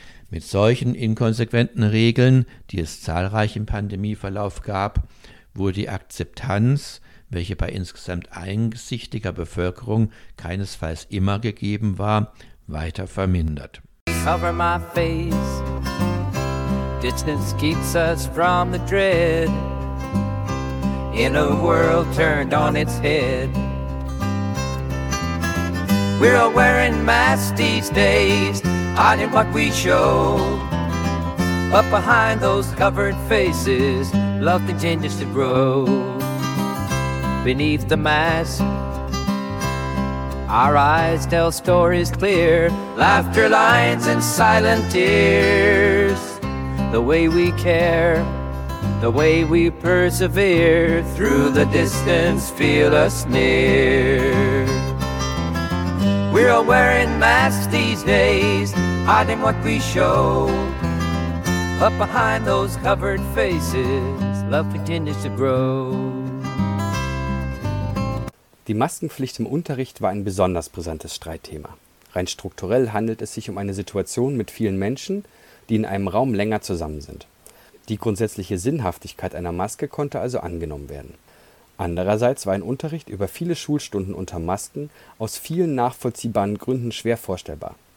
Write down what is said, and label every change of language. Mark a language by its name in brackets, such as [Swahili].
[German] Mit solchen inkonsequenten Regeln, die es zahlreich im Pandemieverlauf gab, wurde die Akzeptanz, welche bei insgesamt einsichtiger Bevölkerung keinesfalls immer gegeben war, weiter vermindert. [English] Cover my face. Distance keeps us from the dread. In a world turned on its head. We're all wearing masks these days. Hiding what we show. But behind those covered faces, love continues to grow. Beneath the mask, our eyes tell stories clear. Laughter, lines, and silent tears. The way we care, the way we persevere. Through the distance, feel us near. We're all wearing masks these days. Hiding what we show. But behind those covered faces, love continues to grow. [German] Die Maskenpflicht im Unterricht war ein besonders brisantes Streitthema. Rein strukturell handelt es sich um eine Situation mit vielen Menschen, die in einem Raum länger zusammen sind. Die grundsätzliche Sinnhaftigkeit einer Maske konnte also angenommen werden. Andererseits war ein Unterricht über viele Schulstunden unter Masken aus vielen nachvollziehbaren Gründen schwer vorstellbar.